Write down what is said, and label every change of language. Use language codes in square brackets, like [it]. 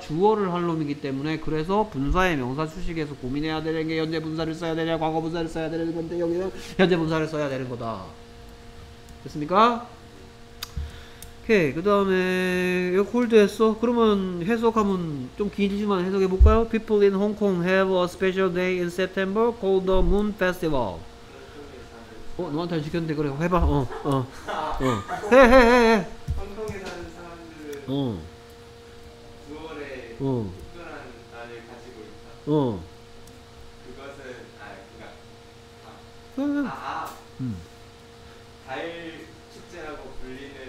[ko] 주어를 할 놈이기 때문에 그래서 분사의 명사 수식에서 고민해야 되는 게 현재 분사를 써야 되냐 과거 분사를 써야 되는 건데 여기는 현재 분사를 써야 되는 거다 됐습니까? 오케이 그 다음에 이거 콜드 했어? 그러면 해석하면 좀 길지만 해석해 볼까요? [en] People in Hong Kong have a special day in September called the Moon Festival. [ko] 어? 너한테 시켰는데 그래 해봐 어. 해 홍콩에 사는 사람들은 9월에 특별한 날을 가지고 있다. 어. 그것은 아, 그니까 아, 달 축제라고 불리는.